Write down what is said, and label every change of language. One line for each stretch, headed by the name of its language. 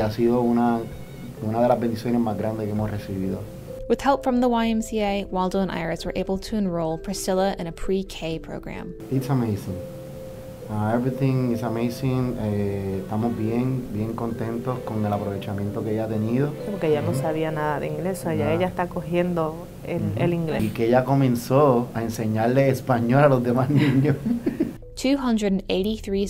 Spanish: ha sido una de las bendiciones más grandes que hemos recibido.
English: With help from the YMCA, Waldo and Iris were able to enroll Priscilla in a pre-K program. It's amazing. Everything is amazing.
Spanish: Estamos bien, bien contentos con el aprovechamiento que ella ha tenido. Porque ella no sabía nada de inglés, ya ella está cogiendo el inglés. Y que ella comenzó a enseñarle español a los demás niños. 283